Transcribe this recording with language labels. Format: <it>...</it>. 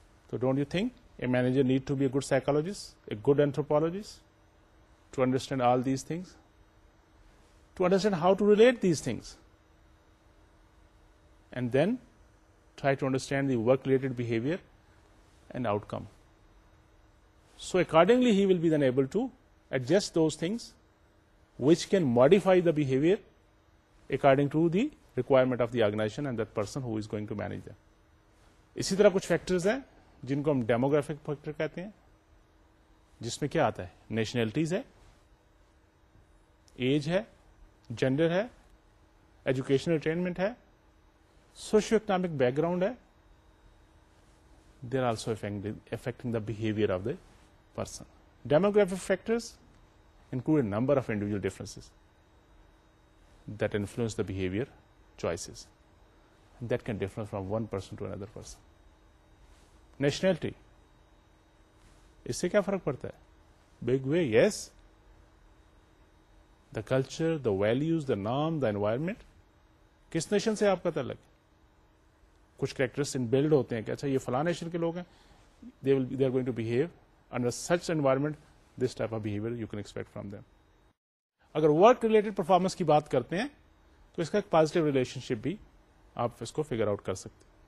<en>تو don't you think a manager need to be a good psychologist, a good anthropologist to understand all these things, to understand how to relate these things and then try to understand the work-related behavior and outcome. So accordingly, he will be then able to adjust those things which can modify the behavior according to the requirement of the organization and that person who is going to manage them.</en> <ur>اسی طرح کچھ factors ہیں جن کو ہم demographic factor کہتے ہیں, جس میں کیا آتا ہے, نیشنلٹیز ہے, ایج ہے, جینڈر ہے, ایجوکیشنل اٹینمنٹ ہے, سوشو اکنامک بیک گراؤنڈ ہے,</ur> <en>They are also affecting the behaviour of the person. Demographic factors include number of individual differences that influence the behaviour choices that can differ from one person to another person.</en> <ur>Nationality, اس سے کیا فرق پڑتا ہے؟</ur> <en>big way,</en> <ur>yes.</ur> <en>the culture, the values, دا نام, the environment,</en> <ur>کس nation سے آپ کا تعلق ہے. کچھ کریکٹرس ان بلڈ ہوتے ہیں کہ اچھا یہ فلاں نیشن کے لوگ ہیں,</ur> <en>They will they are going to behave under such environment, this type of behaviour you can expect from them.</en> <ur>اگر ورک ریلیٹڈ پرفارمنس کی بات کرتے ہیں تو اس کا ایک پازیٹو ریلیشن شپ بھی آپ اس کو فگر آؤٹ کر سکتے.</ur>